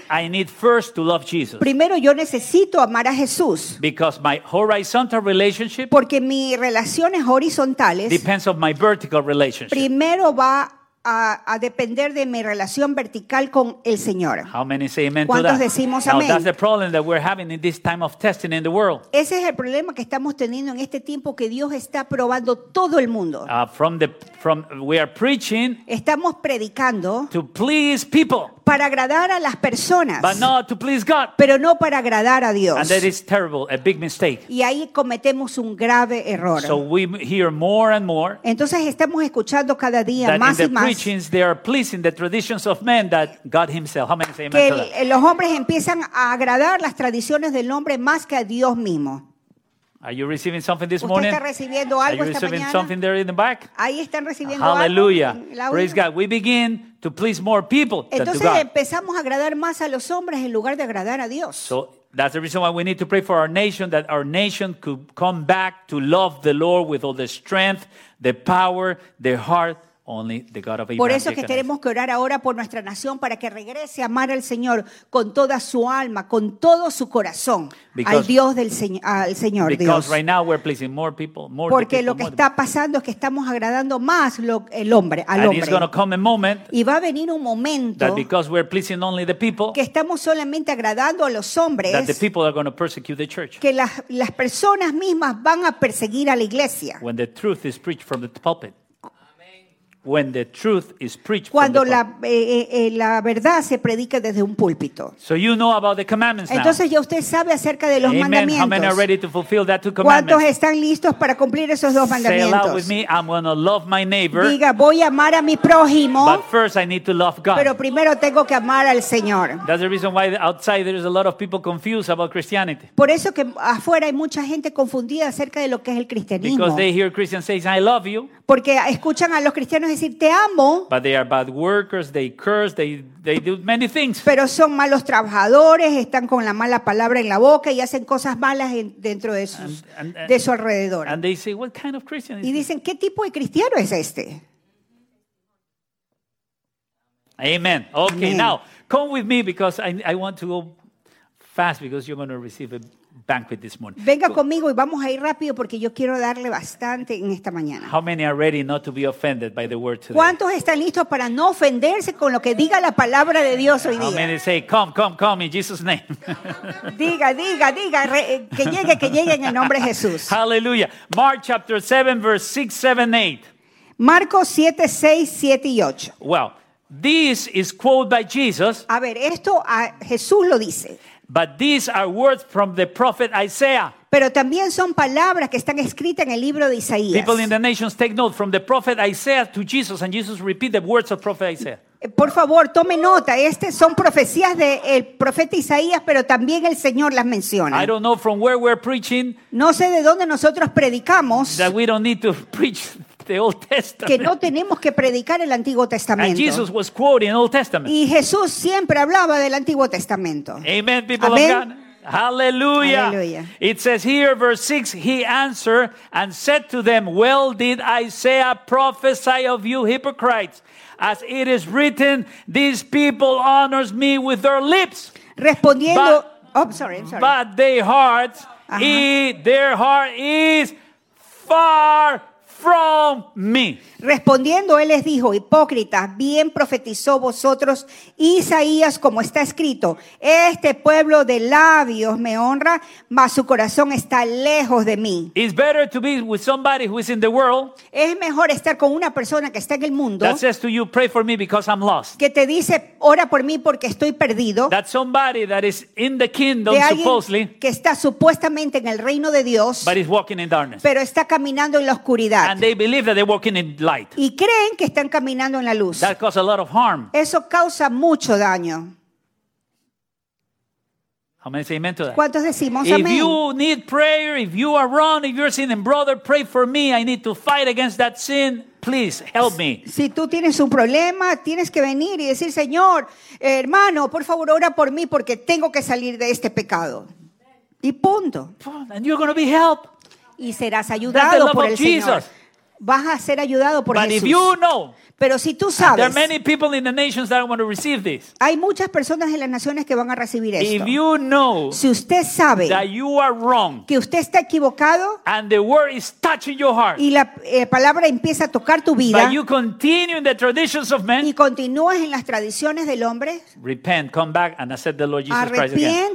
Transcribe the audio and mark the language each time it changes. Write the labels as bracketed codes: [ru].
[en] I need first to love Jesus. [es] Primero yo necesito amar a Jesús. [en] Because my horizontal relationship, [es] porque mis relaciones horizontales, [en] depends on my vertical relationship. [es] Primero va a depender de mi relación vertical con el Señor. [en] How many say amen [es] ¿Cuántos [en] to that? [es] Decimos [en] Now, [es] amén? [en] That's the problem that we're having in this time of testing in the world. [es] Ese es el problema que estamos teniendo en este tiempo que Dios está probando todo el mundo. [en] We are preaching. [es] Estamos predicando. [en] To please people. [es] Para agradar a las personas. [en] But not to please God. [es] Pero no para agradar a Dios. [en] And that is terrible, a big mistake. [es] Y ahí cometemos un grave error. [en] So we hear more and more. [es] Entonces estamos escuchando cada día más y más. [en] Preachings they are pleasing the traditions of men that God himself. How many say amen [es] que [en] to that? [es] Los hombres empiezan a agradar las tradiciones del hombre más que a Dios mismo. [en] Are you receiving something this morning? [es] ¿Usted está recibiendo algo esta mañana? [en] Are you receiving something there in the back? [es] Ahí están recibiendo [en] Hallelujah. [es] Algo. [en] Praise God. We begin to please more people [es] Entonces, [en] than to God. [es] Empezamos a agradar más a los hombres en lugar de agradar a Dios. [en] So, that's the reason why we need to pray for our nation, that our nation could come back to love the Lord with all the strength, the power, the heart, only the God of Abraham. [es] Por eso es que tenemos que orar ahora por nuestra nación para que regrese a amar al Señor con toda su alma, con todo su corazón, [en] because, [es] al Dios del Señor, al Señor Dios. [en] Right now we're pleasing more people, more [es] Porque [en] people, [es] lo que está pasando es que estamos agradando más el hombre, al [en] And [es] hombre. [en] It's gonna come a moment [es] y va a venir un momento [en] that because we're pleasing only the people, [es] que estamos solamente agradando a los hombres [en] that the people are gonna persecute the church. [es] Que las personas mismas van a perseguir a la iglesia. [en] When the truth is preached from the pulpit. When the truth is preached [es] cuando [en] from the [es] la verdad se predica desde un púlpito. [en] So you know about the commandments now. [es] Entonces ya usted sabe acerca de los [en] Amen. [es] Mandamientos. [en] How many are ready to fulfill that two commandments? [es] ¿Cuántos están listos para cumplir esos dos mandamientos? [en] Say it out with me, I'm gonna love my neighbor. [es] Diga, voy a amar a mi prójimo. [en] But first I need to love God. [es] Pero primero tengo que amar al Señor. [en] That's the reason why outside there is a lot of people confused about Christianity. [es] Por eso que afuera hay mucha gente confundida acerca de lo que es el cristianismo. [en] Because they hear Christians say, I love you. [es] Porque escuchan a los cristianos decir te amo. [en] But they are bad workers, they curse, they do many things. [es] Pero son malos trabajadores, están con la mala palabra en la boca y hacen cosas malas dentro de sus de su alrededor. [en] And they say, what kind of Christian is [es] y dicen, ¿qué tipo de cristiano es este? [en] Amen. Okay, Amen. Now come with me because I want to go fast because you're going to receive a banquet this morning. [es] Venga conmigo y vamos a ir rápido porque yo quiero darle bastante en esta mañana. [en] How many are ready not to be offended by the word today? [es] ¿Cuántos están listos para no ofenderse con lo que diga la palabra de Dios hoy día? [en] How many say, come in Jesus' name. [es] diga, que llegue en el nombre de Jesús. [en] Hallelujah. Mark chapter 7, verse 6, 7, 8. [es] Marcos 7, 6, 7 y 8. [en] Well, this is quoted by Jesus. [es] A ver, esto a Jesús lo dice. [en] But these are words from the prophet Isaiah. [es] Pero también son palabras que están escritas en el libro de Isaías. [en] People in the nations, take note from the prophet Isaiah to Jesus, and Jesus repeat the words of prophet Isaiah. [es] Por favor, tome nota. Estas son profecías del profeta Isaías, pero también el Señor las menciona. [en] I don't know from where we're preaching. [es] No sé de dónde nosotros predicamos. [en] That we don't need to preach the Old Testament. [es] Que no tenemos que predicar el Antiguo Testamento. [en] And Jesus was quoting Old Testament. [es] Y Jesús siempre hablaba del Antiguo Testamento. [en] Amen, people [es] Amen. [en] Of God. Hallelujah. Hallelujah. It says here, verse 6, he answered and said to them, well did Isaiah prophesy of you hypocrites, as it is written, this people honors me with their lips. [es] Respondiendo, [en] I'm sorry. But their heart, their heart is far from me. [es] Respondiendo, él les dijo, hipócritas, bien profetizó vosotros Isaías, como está escrito, este pueblo de labios me honra, mas su corazón está lejos de mí. [en] It's better to be with somebody who is in the world. [es] Es mejor estar con una persona que está en el mundo. [en] That says to you, pray for me because I'm lost. [es] Que te dice, ora por mí porque estoy perdido. [en] That somebody that is in the kingdom, [es] de alguien [en] supposedly, [es] que está supuestamente en el reino de Dios, [en] but is walking in darkness. [es] Pero está caminando en la oscuridad. [en] And they believe that they're walking in light. [es] Y creen que están caminando en la luz. [en] That causes a lot of harm. [es] Eso causa mucho daño. [en] How many say amen to that? [es] ¿Cuántos decimos amén? [en] If you need prayer, if you are wrong, if you're sinning, brother, pray for me. I need to fight against that sin. Please help me. [es] Si tú tienes un problema, tienes que venir y decir, Señor, hermano, por favor, ora por mí porque tengo que salir de este pecado. Y punto. [en] And you're going to be helped. [es] Y serás ayudado por el [en] Jesus. [es] Señor. Vas a ser ayudado por [en] But [es] Jesús. [en] If you know, [es] pero si tú sabes, [en] there are many people in the nations that want to receive this. [es] Hay muchas personas en las naciones que van a recibir esto. [en] If you know, [es] si usted sabe [en] that you are wrong, [es] que usted está equivocado, [en] and the word is touching your heart, [es] y la palabra empieza a tocar tu vida, [en] but you continue in the traditions of men, [es] y continúas en las tradiciones del hombre, [en] repent, come back and accept the Lord Jesus Christ again.